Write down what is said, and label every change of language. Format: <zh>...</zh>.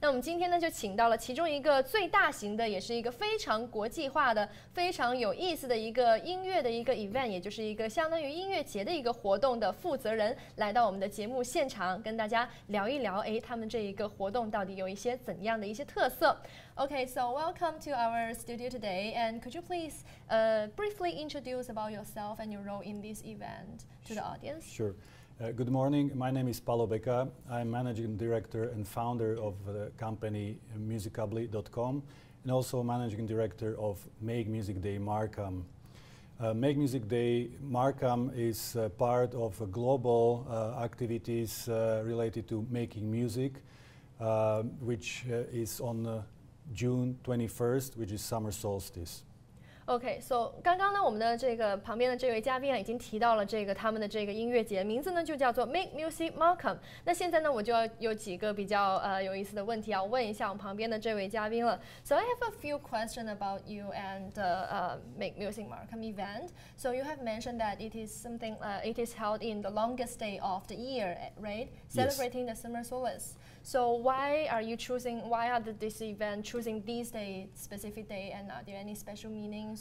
<zh>那我们今天呢，就请到了其中一个最大型的，也是一个非常国际化的、非常有意思的一个音乐的一个 event， 也就是一个相当于音乐节的一个活动的负责人，来到我们的节目现场，跟大家聊一聊，他们这一个活动到底有一些怎样的一些特色。</zh> <en>Okay, so welcome to our studio today, and could you please briefly introduce about yourself and your role in this event to the audience? Sure. Good morning. My name is Paolo Becca. I'm managing director and founder of the company musicably.com and also managing director of Make Music Day Markham. Make Music Day Markham is part of global activities related to making music, which is on June 21st, which is summer solstice. Okay, so</en> <zh>刚刚呢，我们的这个旁边的这位嘉宾啊，已经提到了这个他们的这个音乐节，名字呢就叫做 Make Music Markham。那现在呢，我就要有几个比较有意思的问题要问一下我们旁边的这位嘉宾了。</zh> <en>So I have a few questions about you and the Make Music Markham event. So you have mentioned that it is something, it is held in the longest day of the year, right? Celebrating Yes. the summer solstice. So why are you choosing? Why are the, this event choosing this day, specific day, and are there any special meaning?</en>